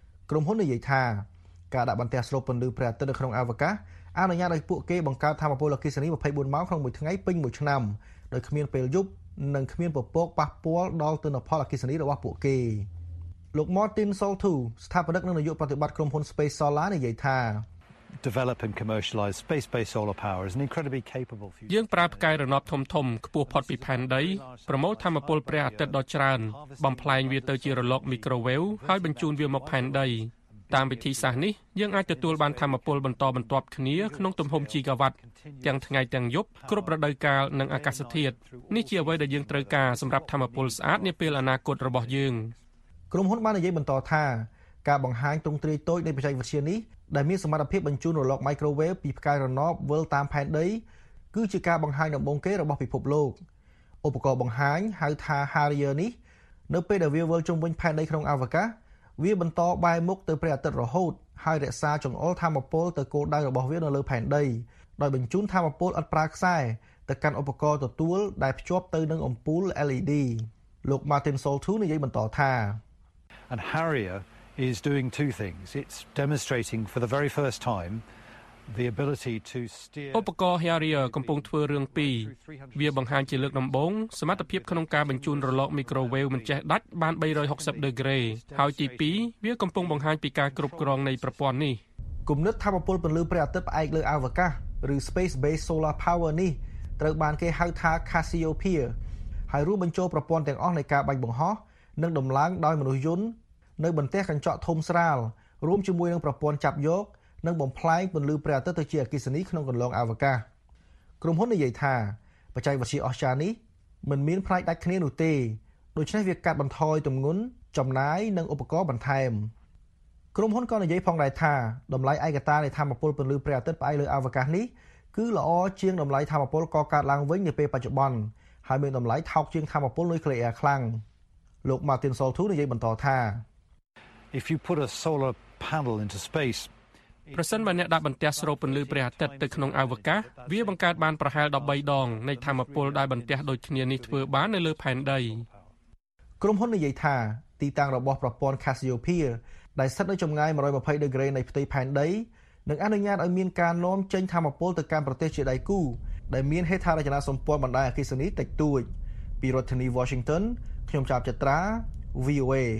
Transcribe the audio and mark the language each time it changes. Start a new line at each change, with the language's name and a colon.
Khmer: ក្រុមហ៊ុននិយាយថាការដាក់បន្ទះស្រូបពន្លឺព្រះអាទិត្យនៅក្នុងអវកាសអនុញ្ញាតឲ្យពួកគេបង្កើតថាមពលអគ្គិសនី24ម៉ោងក្នុងមួយថ្ងៃពេញមួយឆ្នាំដោយគ្មានពេលយប់និងគ្មានពពកប៉ះពាល់ដល់ទិន្នផលអគ្គិសនីរបស់ពួកគេលោក Martin Saltu ស្ថាបនិកនិងនាយកប្រតិបត្តិក្រុមហ៊ុន Space Solar និយាយថា
English: Develop and commercialize space-based solar power is an incredibly capable future.
Khmer: យើងប្រើផ្កាយរណបធំៗខ្ពស់ផុតពីផែនដីប្រមូលថាមពលព្រះអាទិត្យដ៏ច្រើនបំប្លែងវាទៅជារលកមីក្រូវេវហើយបញ្ជូនវាមកផែនដីតាមវិធីសាស្ត្រនេះយើងអាចទទួលបានថាមពលបន្តបន្ទាប់គ្នាក្នុងទំហំជីកាវ៉ាត់ទាំងថ្ងៃទាំងយប់គ្រប់រដូវកាលនិងអាកាសធាតុនេះជាអ្វីដែលយើងត្រូវការសម្រាប់ថាមពលស្អាតនាពេលអនាគតរបស់យើង ក្រុមហ៊ុនបាននិយាយបន្តថាការបង្ហាញទ្រង់ទ្រាយតូចនៃបច្ចេកវិទ្យានេះដែលមានសមត្ថភាពបញ្ជូនរលកមីក្រូវេវពីផ្កាយរណបវិលតាមផែនដីគឺជាការបង្ហាញដំបូងគេរបស់ពិភពលោក ឧបករណ៍បង្ហាញហៅថា Harrier នេះនៅពេលដែលវាវិលជុំវិញផែនដីក្នុងអវកាសវាបន្តបែរមុខទៅព្រះអាទិត្យរហូតហើយរក្សាចង្អុលថាមពលទៅគោលដៅរបស់វានៅលើផែនដីដោយបញ្ជូនថាមពលឥតប្រើខ្សែទៅកាន់ឧបករណ៍ទទួលដែលភ្ជាប់ទៅនឹងអំពូល LED លោក Martin Saltu និយាយបន្តថា
English: And Harrieris doing two things it's demonstrating for the very first time the ability to steer
Khmer: ឧបករណ៍ Harrier កំពុងធ្វើរឿងពីរវាបង្ហាញជាលើកដំបូងសមត្ថភាពក្នុងការបញ្ជូនរលកមីក្រូវេវមិនចេះដាច់បាន360ដឺក្រេហើយទី2វាកំពុងបង្ហាញពីការគ្រប់គ្រងនៃប្រព័ន្ធនេះ គំនិតថាពលពន្លឺព្រះអាទិត្យផ្អែកលើអវកាសឬ
English: space based solar power
Khmer: នេះត្រូវបានគេហៅថា Cassiopeia ហើយរួមបញ្ចូលប្រព័ន្ធទាំងអស់នៃការបាញ់បង្ហោះនិងដំឡើងដោយមនុស្សយន្តនៅបន្ទះកញ្ចក់ធំស្រាលរួមជាមួយនឹងប្រព័ន្ធចាប់យកនិងបំផ្លែងពន្លឺព្រះអាទិត្យទៅជាអគ្គិសនីក្នុងកន្លងអវកាសក្រុមហ៊ុននិយាយថាបច្ចេកវិទ្យាអស្ចារ្យនេះមិនមានផ្នែកដាច់គ្នានោះទេដូច្នេះវាកាត់បន្ថយទម្ងន់ចំណាយនិងឧបករណ៍បន្ថែម ក្រុមហ៊ុនក៏និយាយផងដែរថាតម្លៃឯកតានៃថាមពលពន្លឺព្រះអាទិត្យផ្អែកលើអវកាសនេះគឺល្អជាងតម្លៃថាមពលកកើតឡើងវិញនាពេលបច្ចុប្បន្នហើយមានតម្លៃថោកជាងថាមពលនុយក្លេអ៊ែរខ្លាំងលោក Martin Saltu និយាយបន្តថា
English: If you put a solar panel into space
Khmer: ប្រសិនបើអ្នកដាក់បន្ទះស្រូបពន្លឺព្រះអាទិត្យទៅក្នុងអវកាសវាបង្កើតបានប្រហែល13ដងនៃថាមពលដែលបន្ទះដូចគ្នានេះធ្វើបាននៅលើផែនដី ក្រុមហ៊ុននិយាយថាទីតាំងរបស់ប្រព័ន្ធ Cassiopeia ដែលស្ថិតនៅចម្ងាយ120ដឺក្រេនៃផ្ទៃផែនដីនឹងអនុញ្ញាតឲ្យមានការនាំចេញថាមពលទៅកាន់ប្រទេសជាដៃគូដែលមានហេដ្ឋារចនាសម្ព័ន្ធបណ្ដាញអគ្គិសនីតិចតួចពីរដ្ឋធានី Washingtonខ្ញុំចាប់ចត្រា VOA